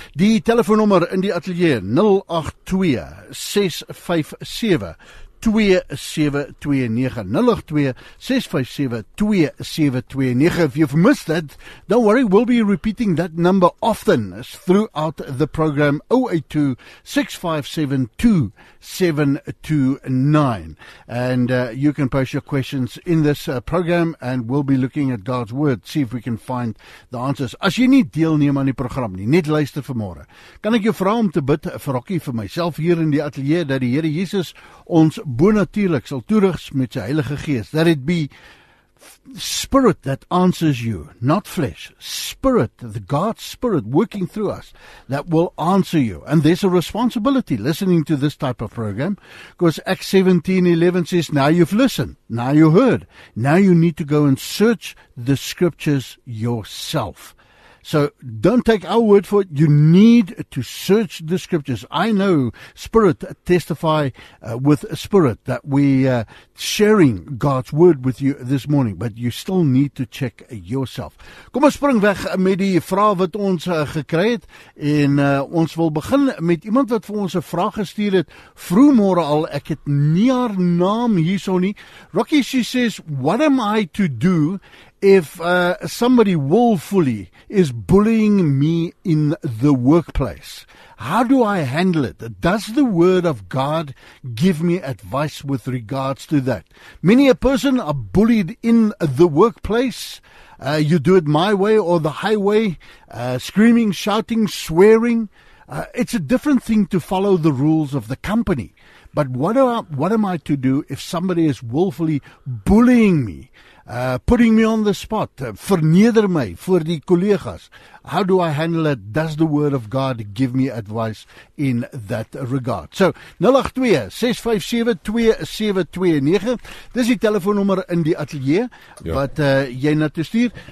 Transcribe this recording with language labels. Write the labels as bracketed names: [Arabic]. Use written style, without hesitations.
[Afrikaans] Die telefoonnummer in die atelier [English] 082-657-2729 If you've missed that, don't worry, we'll be repeating that number often throughout the program, 082-657-2729. And you can post your questions in this program and we'll be looking at God's Word, see if we can find the answers. [Afrikaans] As jy nie deelneem aan die program nie, net luister vanmôre, kan ek jou vra om te bid vir Rocky, vir myself hier in die atelier, dat die Here Jesus ons natuurlijk sal toerigs met sy Heilige Gees. [English] That it be Spirit that answers you, not flesh. Spirit, the God's Spirit working through us, that will answer you. And there's a responsibility listening to this type of program, because Acts 17:11 says, now you've listened, now you heard, now you need to go and search the scriptures yourself. So don't take our word for it. You need to search the scriptures. I know Spirit testify with Spirit that we are sharing God's word with you this morning, but you still need to check yourself. [Afrikaans] Kom ons spring weg met die vraag wat ons gekry het en ons wil begin met iemand wat vir ons 'n vraag gestuur het vroegmôre al. Ek het nie haar naam hierso nie. [English] Rocky, she says, "What am I to do if somebody willfully is bullying me in the workplace? How do I handle it? Does the word of God give me advice with regards to that? Many a person are bullied in the workplace. You do it my way or the highway, screaming, shouting, swearing. It's a different thing to follow the rules of the company. But what am I to do if somebody is willfully bullying me? Putting me on the spot, [Afrikaans] verneder my voor die collega's. [English] How do I handle it? Does the word of God give me advice in that regard?" So, 082-657-2729. This is [Afrikaans] die telefoonnummer in die atelier, wat jy na te stuur.